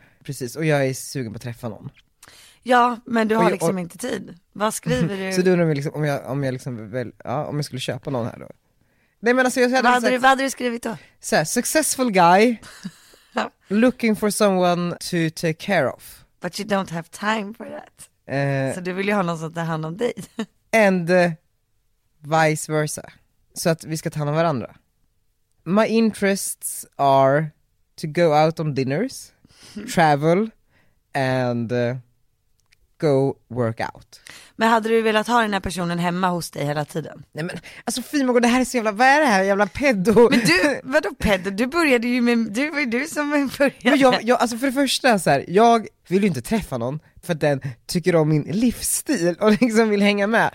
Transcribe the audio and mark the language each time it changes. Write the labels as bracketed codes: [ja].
[sv] Precis, och jag är sugen på att träffa någon. Ja, men du har liksom inte tid. Vad skriver du? Så du undrar liksom, om jag liksom väl, ja, om jag skulle köpa någon här då. Nej, men alltså, vad hade du skrivit då? Så här, [en] successful guy looking for someone to take care of. But you don't have time for that. [sv] Så du vill ju ha någon som tar hand om dig. [en] And vice versa. [sv] Så att vi ska ta hand om varandra. [en] My interests are to go out on dinners, travel and go work out. [sv] Men hade du velat ha den här personen hemma hos dig hela tiden? Nej, men alltså Fimo, det här är så jävla, vad är det här jävla pedo? Men du, vadå pedo? Du började ju med, du var ju du som började. Men jag, alltså för det första så här, jag vill ju inte träffa någon för att den tycker om min livsstil och liksom vill hänga med.